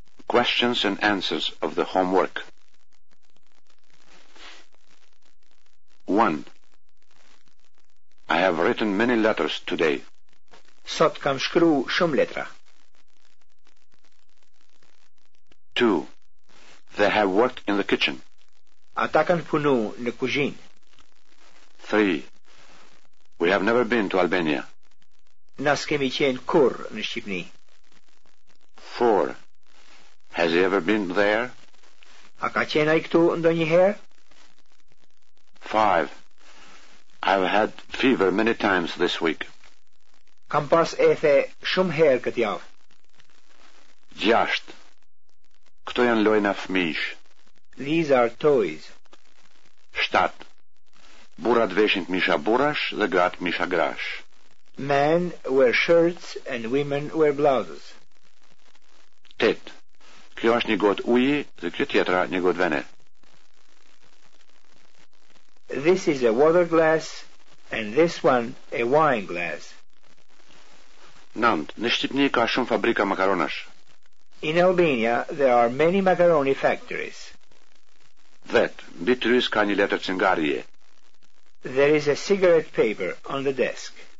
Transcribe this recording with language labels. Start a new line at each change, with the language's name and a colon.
English: questions and answers of the homework. 1. I have written many letters today.
Albanian: Sot kam shkru shumë letra.
English: 2. They have worked in the kitchen.
Albanian: Ata kanë punu në kuzhinë.
English: 3. We have never been to Albania.
Albanian: Na s'kemi qenë kur në Shqipni.
English: 4. Has he ever been there?
Albanian: A ka qenë ai këtu ndonjëherë?
English: 5. I've had fever many times this week.
Albanian: Kam pas efe shumë herë këtë javë.
English: 6.
Albanian: Këto janë lojna fëmijësh.
English: These are toys.
Albanian: 7. Burrat veshin mishra burrash dhe gratë mishra grash.
English: Men wear shirts and women wear blouses. 8.
Albanian: Kjo është një gotë uji dhe kjo tjetra një gotë vene.
English: This is a water glass and this one a wine glass. 9.
Albanian: Në Shqipni ka shumë fabrika makaronash.
English: In Albania there are many macaroni factories. 10.
Albanian: Mbi trys ka një letër cingarrie.
English: There is a cigarette paper on the desk.